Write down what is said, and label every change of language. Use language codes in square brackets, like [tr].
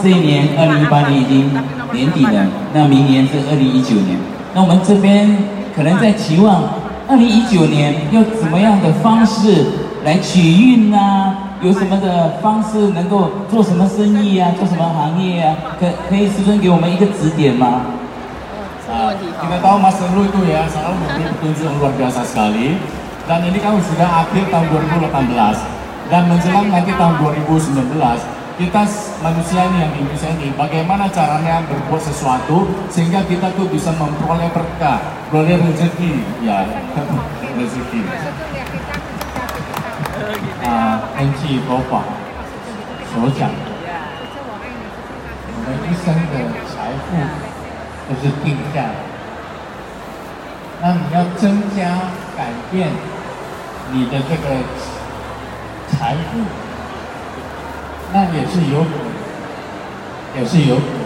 [zh] 这一年2018年已经年底了，那明年是2019年。那我们这边可能在期望2019年要怎么样的方式来取运呢？有什么的方式能够做什么生意啊，做什么行业啊，可以师尊给我们一个指点吗？ [id] kita tahu Mas Lu itu ya selalu memberi petunjuk yang luar biasa sekali, dan ini kan sudah akhir tahun 2018 dan menjelang nanti tahun 2019, kita manusia ini yang Indonesia ini bagaimana caranya berbuat sesuatu sehingga kita tuh bisa memperoleh berkah, memperoleh rezeki ya, rezeki. [en] Thank you, Papa. [zh] 所讲的，我们一生的财富都是定下的。那你要增加、改变你的这个财富，那也是有苦，也是有苦。